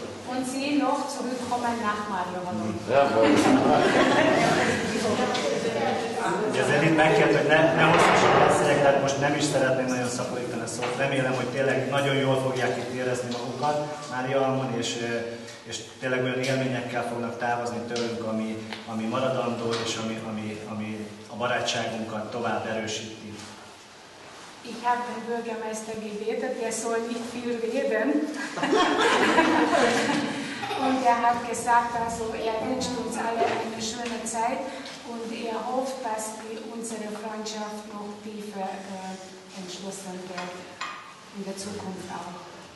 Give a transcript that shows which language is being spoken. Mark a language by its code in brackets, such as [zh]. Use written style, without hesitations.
[de] Und sie noch zurückkommen nach Mária-halom. [hu] Ugye azért itt megkérdezik, hogy ne hosszasabb beszélek, tehát most nem is szeretném nagyon szaporítani a szót. Remélem, hogy tényleg nagyon jól fogják itt érezni magukat Mária-halmon, és tényleg olyan élményekkel fognak távozni tőlünk, ami maradandó, és ami a barátságunkat tovább erősíti. [de] Ich habe den Bürgermeister gebeten, der soll nicht viel reden. Und er hat gesagt, also er wünscht uns alle eine schöne Zeit und er hofft, dass die unsere Freundschaft noch tiefer entschlossen wird in der Zukunft auch.